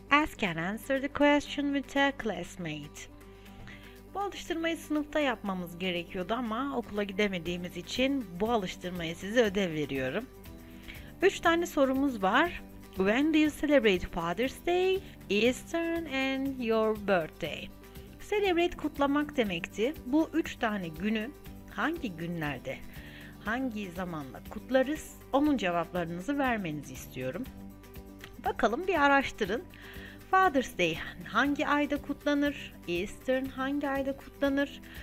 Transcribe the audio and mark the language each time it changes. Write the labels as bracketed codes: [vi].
[en] Ask and answer the question with a classmate. [tr] Bu alıştırmayı sınıfta yapmamız gerekiyordu ama okula gidemediğimiz için bu alıştırmayı size ödev veriyorum. 3 tane sorumuz var. [en] When do you celebrate Father's Day, Easter and your birthday? [tr] Celebrate kutlamak demekti. Bu 3 tane günü hangi günlerde, hangi zamanla kutlarız? Onun cevaplarınızı vermenizi istiyorum. Bakalım bir araştırın. Father's Day hangi ayda kutlanır? Easter hangi ayda kutlanır?